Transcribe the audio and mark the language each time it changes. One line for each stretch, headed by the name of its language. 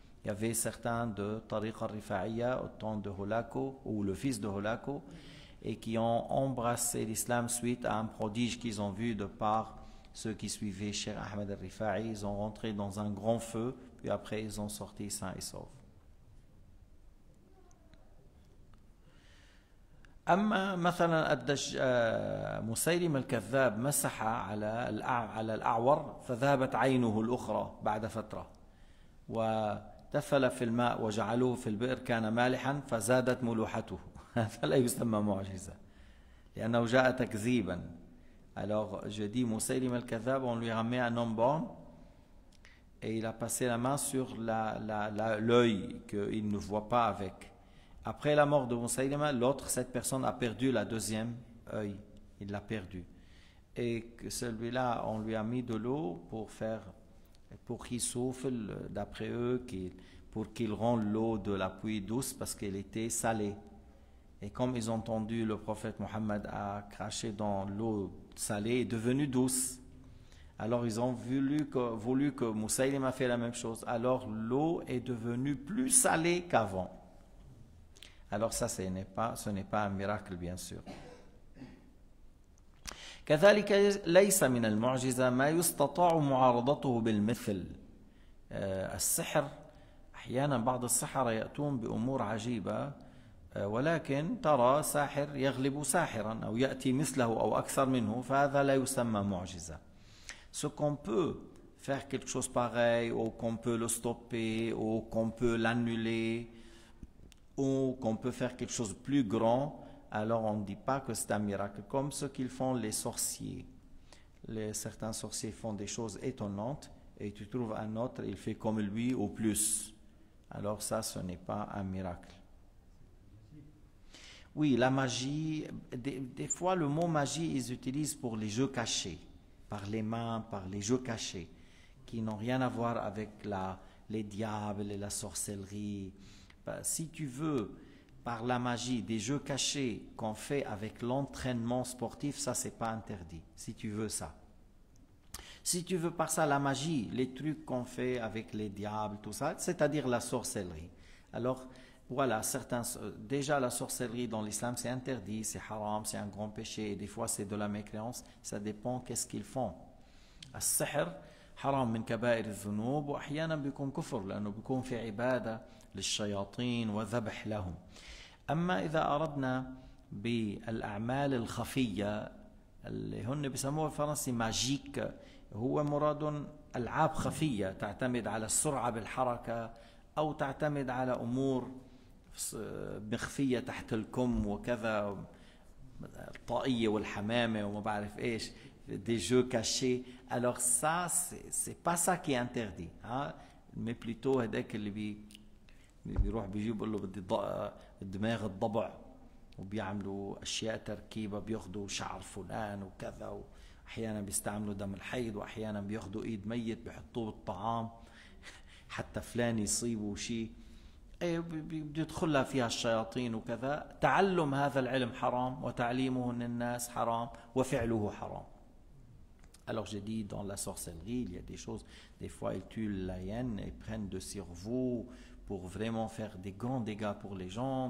French: Il y avait certains de Tariqa Rifa'iya au temps de Hulako ou le fils de Hulako et qui ont embrassé l'islam suite à un prodige qu'ils ont vu de par ceux qui suivaient Cheikh Ahmed al-Rifa'i. Ils ont rentré dans un grand feu puis après ils ont sorti sains et saufs.
Arabic: أما مثلا مسيلم الكذاب مسح على الأعور فذهبت عينه الأخرى بعد فترة وتفل في الماء وجعلوه في البئر كان مالحا فزادت ملوحته هذا لا يسمى معجزة لأنه جاء تكذيبا
French: alors je dis
Arabic: مسيلم الكذاب
French: on lui ramène un homme born et il a passé la main sur l'œil qu'il ne voit pas avec. Après la mort de Musaylima, l'autre, cette personne a perdu la deuxième œil. Il l'a perdu. Et que celui-là, on lui a mis de l'eau pour faire, pour qu'il souffle, d'après eux, pour qu'il rende l'eau de la pluie douce parce qu'elle était salée. Et comme ils ont entendu, le prophète Mohammed a craché dans l'eau salée et devenue douce. Alors ils ont voulu que Musaylima fait la même chose. Alors l'eau est devenue plus salée qu'avant. Alors ça, ce n'est pas un miracle, bien sûr.
Arabic: كذلك ليس من المعجزة ما يستطاع معارضته بالمثل. السحر أحيانا بعض السحرة يأتون بأمور عجيبة ولكن ترى ساحر يغلب ساحرا أو يأتي مثله أو أكثر منه فهذا لا يسمى معجزة.
French: Ce qu'on peut faire quelque chose pareil ou qu'on peut le stopper ou qu'on peut l'annuler ou qu'on peut faire quelque chose de plus grand, alors on ne dit pas que c'est un miracle, comme ce qu'ils font les sorciers. Certains sorciers font des choses étonnantes, et tu trouves un autre, il fait comme lui ou plus. Alors ça, ce n'est pas un miracle. Oui, la magie, des fois le mot magie, ils utilisent pour les jeux cachés, par les mains, par les jeux cachés, qui n'ont rien à voir avec les diables et la sorcellerie. Si tu veux, par la magie, des jeux cachés qu'on fait avec l'entraînement sportif, ça, c'est pas interdit, si tu veux ça. Si tu veux par ça la magie, les trucs qu'on fait avec les diables, tout ça, c'est-à-dire la sorcellerie. Alors, voilà, déjà la sorcellerie dans l'islam, c'est interdit, c'est haram, c'est un grand péché, et des fois, c'est de la mécréance, ça dépend qu'est-ce qu'ils font.
Arabic: السحر حرام من كبائر الذنوب، وأحيانا بيكون كفر لأنه بيكون في عبادة للشياطين وذبح لهم. أما إذا أردنا بالأعمال الخفية اللي هن بيسموها الفرنسي ماجيك، هو مراد ألعاب خفية تعتمد على السرعة بالحركة أو تعتمد على أمور مخفية تحت الكم وكذا، الطائية والحمامة وما بعرف إيش، دي جو كاشي.
French: alors ça c'est pas ça qui est interdit hein, mais plutôt
Arabic: هداك اللي بيروح بيجيب له بدي دماغ الضبع وبيعملوا أشياء تركيبة، بياخدوا شعر فلان وكذا، وأحيانا بيستعملوا دم الحيض، وأحيانا بياخدوا إيد ميت بيحطوه بالطعام حتى فلان يصيبه شيء، بيدخلها فيها الشياطين وكذا. تعلم هذا العلم حرام، وتعليمه للناس حرام، وفعله حرام.
French: alors j'ai dit dans la sorcellerie il y a des choses, des fois ils tuent la hyène et prennent de cerveau pour vraiment faire des grands dégâts pour les gens.